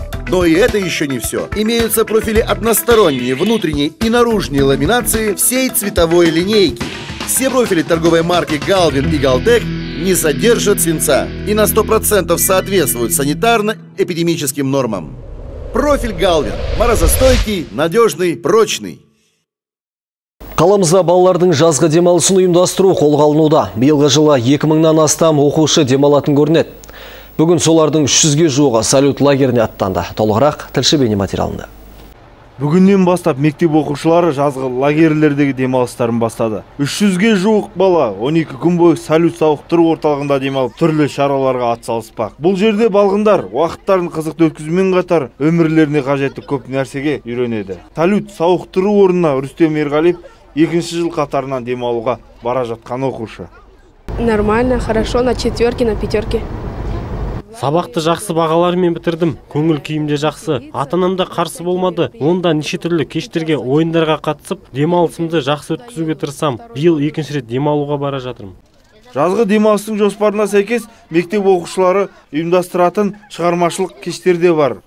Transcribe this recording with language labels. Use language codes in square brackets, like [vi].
[ru] Но и это еще не все. Имеются профили односторонние, внутренние и наружные ламинации всей цветовой линейки. Все профили торговой марки «Галвин» и «Галтек» не содержат свинца и на 100% соответствуют санитарно-эпидемическим нормам. Профиль «Галвин» – морозостойкий, надежный, прочный. [kk] Қаламызда балалардың жазғы демалысын ұйымдастыру қолға алынуда. Биылғы жылы 2000-нан астам оқушы демалатын көрінеді. Бүгін солардың 300-ге жуығы салют лагеріне аттанды. Толығырақ тілші бейнематериалында. Бүгіннен бастап мектеп оқушылары жазғы лагерлердегі демалыстарын бастады. 300-ге жуық бала 12 күн бойы салют сауықтыру орталығында демалып, түрлі шараларға атсалыспақ. Бұл жерде балғындар уақыттарын қызықты өткізумен қатар өмірлеріне қажетті көп нәрсеге үйренеді. Салют сауықтыру орнына Рустем Ерғалиев 2-ші жыл қатарынан демалуға бара жатқан оқушы. [ru] Нормально, хорошо, на четверке, на пятерке. [kk] Сабақты жақсы бағалармен бітірдім, көңіл күйімде жақсы, атанамда қарсы болмады, онда неше түрлі кештерге ойындарға қатысып, демалысымды жақсы өткізуге тырысам, биыл 2-ші рет демалуға бара жатырмын. Жазғы демалыстың жоспарына сәйкес мектеп оқушылары ұйымдастыратын шығармашылық кештерде бар.